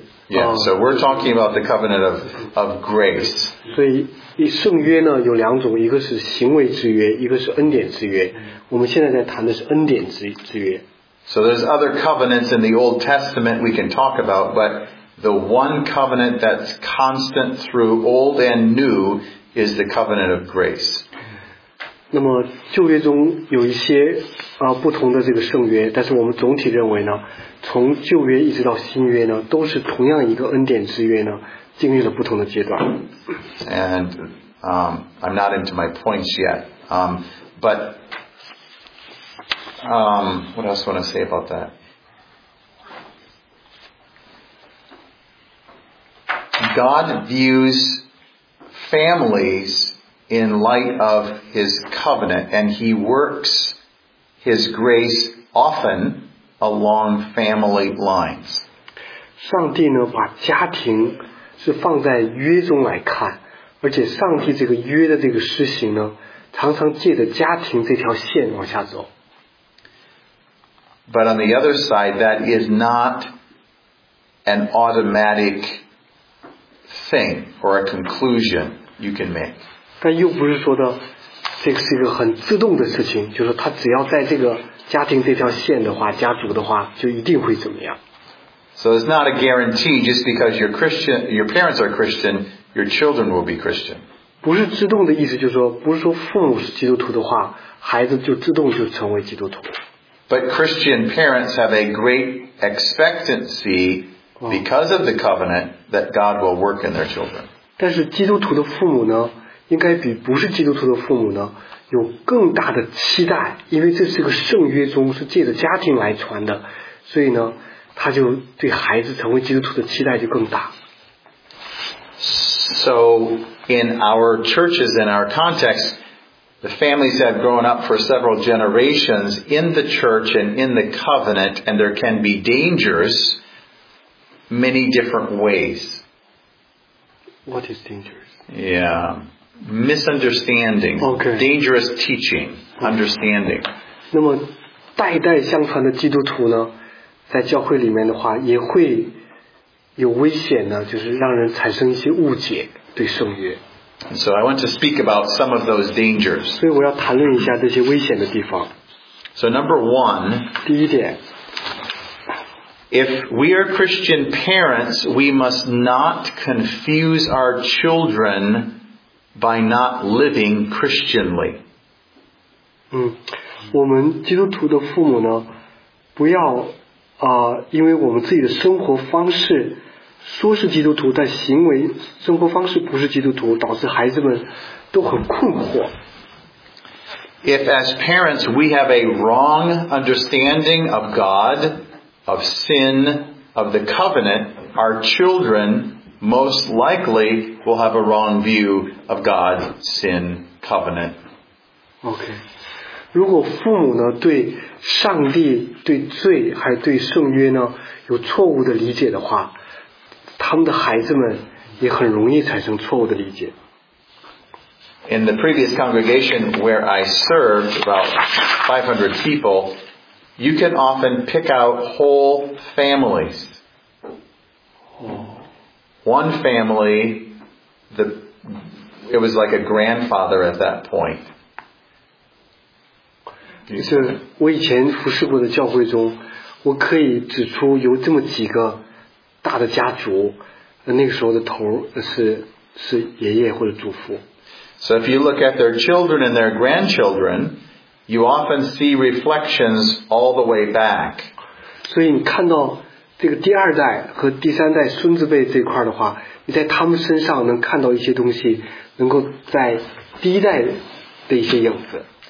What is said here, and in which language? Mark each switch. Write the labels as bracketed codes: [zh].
[en] Yeah, so we're talking about the covenant of grace. [zh] 所以圣约呢有两种，一个是行为之约，一个是恩典之约。我们现在在谈的是恩典之约。 [en] So there's other covenants in the Old Testament we can talk about, but the one covenant that's constant through old and new is the covenant of grace. [zh] 那么旧约中有一些不同的这个圣约但是我们总体认为呢从旧约一直到新约呢都是同样一个恩典之约呢经历了不同的阶段 [en] and I'm not into my points yet but what else want to say about that God views families in light of his covenant and he works His grace often along family lines. [zh] 上帝呢把家庭是放在约中来看，而且上帝这个约的这个施行呢，常常借着家庭这条线往下走。 [en] But on the other side, that is not an automatic thing or a conclusion you can make. [zh] 但又不是说的。这个是一个很自动的事情，就是他只要在这个家庭这条线的话，家族的话，就一定会怎么样。 [en] So it's not a guarantee just because your Christian, your parents are Christian, your children will be Christian. [zh] 不是自动的意思，就是说，不是说父母是基督徒的话，孩子就自动就成为基督徒。 [en] But Christian parents have a great expectancy because of the covenant that God will work in their children. [zh] 但是基督徒的父母呢？应该比不是基督徒的父母呢有更大的期待因为这是个圣约中是借着家庭来传的所以呢他就对孩子成为基督徒的期待就更大 [en] So in our churches in our context the families have grown up for several generations in the church and in the covenant and there can be dangers many different ways What is dangerous? Yeah misunderstanding, okay. dangerous teaching, understanding. [zh] 那么代代相传的基督徒呢，在教会里面的话，也会有危险呢，就是让人产生一些误解对圣约。 [en] So I want to speak about some of those dangers. [zh] 所以我要谈论一下这些危险的地方。 [en] So number one, [zh] 第一点 [en] if we are Christian parents, we must not confuse our children. By not living Christianly. [zh] 我们基督徒的父母呢，不要因为我们自己的生活方式说是基督徒，但行为生活方式不是基督徒，导致孩子们都很困惑。 [en] If as parents we have a wrong understanding of God, of sin, of the covenant, our children. Most likely, we'll have a wrong view of God, sin, covenant. Okay. [zh] 如果父母呢对上帝、对罪还对圣约呢有错误的理解的话，他们的孩子们也很容易产生错误的理解。 [en] In the previous congregation where I served about 500 people, you can often pick out whole families. One family, it was like a grandfather at that point. [zh] 就是我以前服侍过的教会中，我可以指出有这么几个大的家族，那个时候的头是爷爷或者祖父。 [en] So if you look at their children and their grandchildren, you often see reflections all the way back. [zh] 所以你看到这个第二代和第三代孙子辈这块的话，你在他们身上能看到一些东西，能够在第一代的一些影子。